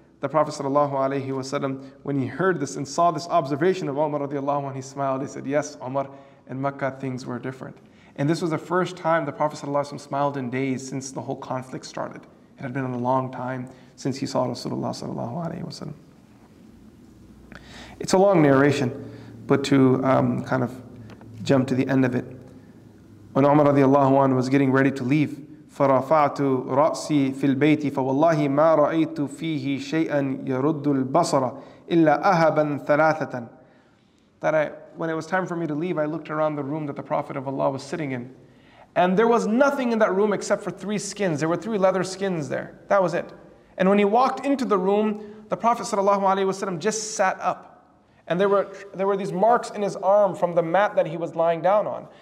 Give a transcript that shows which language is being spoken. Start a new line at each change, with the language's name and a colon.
English: The Prophet sallallahu alayhi wasallam, when he heard this and saw this observation of Umar radiallahu anhu, he smiled, he said, yes, Umar, in Makkah things were different. And this was the first time the Prophet sallallahu alayhi wasallam smiled in days since the whole conflict started. It had been a long time since he saw Rasulullah sallallahu alayhi wasallam. It's a long narration, but to kind of jump to the end of it. When Umar radiallahu anhu was getting ready to leave,
Arabic: فَرَفَعْتُ رَأْسِي فِي الْبَيْتِ فَوَاللَّهِ مَا رَأَيْتُ فِيهِ شَيْئًا يَرُدُّ الْبَصَرَ إِلَّا أَهَبًا ثَلَاثَةً.
English: When it was time for me to leave, I looked around the room that the Prophet of Allah was sitting in. And there was nothing in that room except for three skins. There were three leather skins there. That was it. And when he walked into the room, the Prophet ﷺ just sat up. And there were these marks in his arm from the mat that he was lying down on.